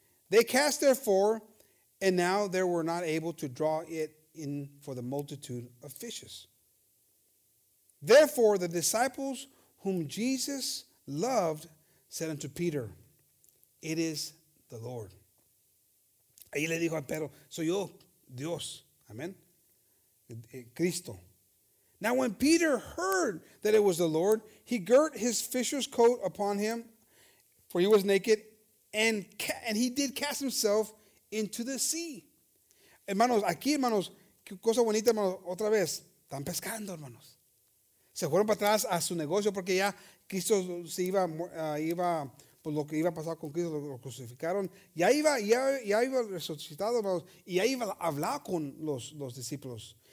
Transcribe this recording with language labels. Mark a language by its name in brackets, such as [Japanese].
[English] They cast therefore, and now they were not able to draw it in for the multitude of fishes. Therefore the disciples whom Jesus loved said unto Peter, it is the Lord. [Spanish] Ahí le dijo a Pedro, soy yo, Dios. Amen. Cristo. [English] Now when Peter heard that it was the Lord, he girt his fisher's coat upon him, for he was naked, and he did cast himself into the sea. [Spanish] Hermanos, aquí, hermanos, cosa bonita, hermanos, otra vez. Están pescando, hermanos. Se fueron para atrás a su negocio porque ya Cristo se iba, por lo que iba a pasar con Cristo, lo crucificaron. Ya iba resucitado, hermanos, y ya iba a hablar con los discípulos.